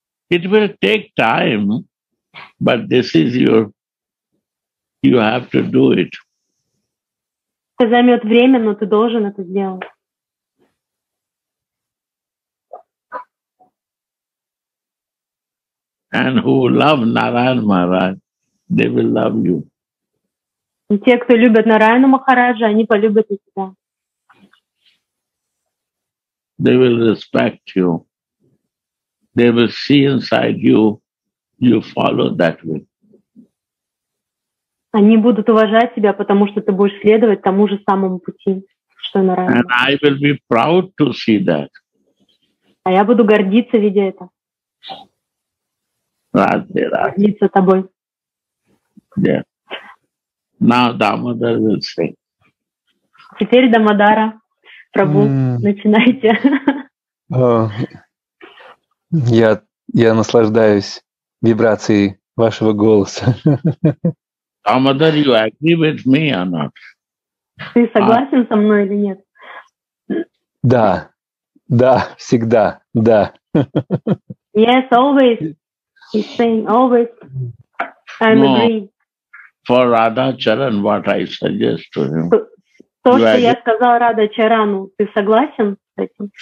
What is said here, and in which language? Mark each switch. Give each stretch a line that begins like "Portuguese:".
English: It will take time, but this is your, you have to do it.
Russian: Это займет время, но ты должен это сделать.
English: And who love Narayan Maharaj, they will love you.
Russian: И те, кто любят Нараяну Махараджа, они полюбят и тебя.
English: They will respect you. They will see inside you. You follow that way.
Russian: Они будут уважать тебя, потому что ты будешь следовать тому же самому пути, что им нравится.
English: And I will be proud to see that.
Russian: А я буду гордиться, видя это. Радзе, радзе. Гордиться тобой.
English: Yeah. Now Дамодар will sing.
Russian: Теперь Дамодара. Прабу, начинайте. Я наслаждаюсь вибрацией вашего голоса.
English: Дамодар, you agree with me or not?
Russian: Ты согласен со мной или нет? Да, да, всегда, да.
English: Yes, always. He's saying always. I'm no, agreeing. For Radha Charan, what I suggest to him.
Russian: То, что я сказал Радха Чарану, ты согласен с этим?